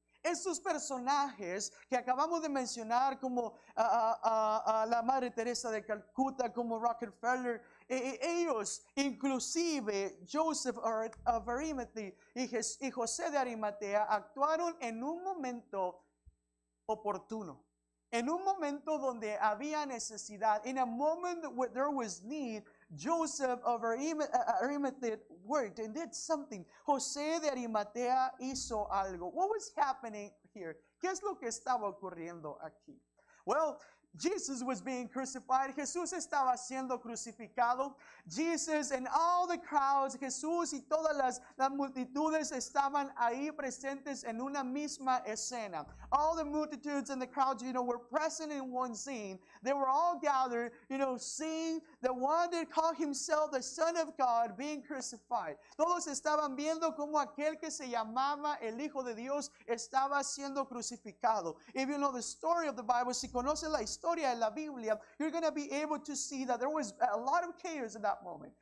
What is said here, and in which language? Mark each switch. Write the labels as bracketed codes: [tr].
[es] Estos personajes que acabamos de mencionar, como la Madre Teresa de Calcuta, como Rockefeller, ellos, inclusive Joseph of Arimathea y José de Arimatea, actuaron en un momento oportuno, en un momento donde había necesidad. [en] In a moment where there was need, Joseph of Arimathea worked and did something. [es] José de Arimatea hizo algo. [en] What was happening here? [es] ¿Qué es lo que estaba ocurriendo aquí? [en] Well, Jesus was being crucified. [es] Jesús estaba siendo crucificado. [en] Jesus and all the crowds, [es] Jesús y todas las multitudes estaban ahí presentes en una misma escena. [en] All the multitudes and the crowds, you know, were present in one scene. They were all gathered, you know, seeing the one that called himself the Son of God being crucified. [es] Todos estaban viendo como aquel que se llamaba el Hijo de Dios estaba siendo crucificado. [en] If you know the story of the Bible, [es] si conoce la historia de la Biblia, [en] you're going to be able to see that there was a lot of chaos in that moment.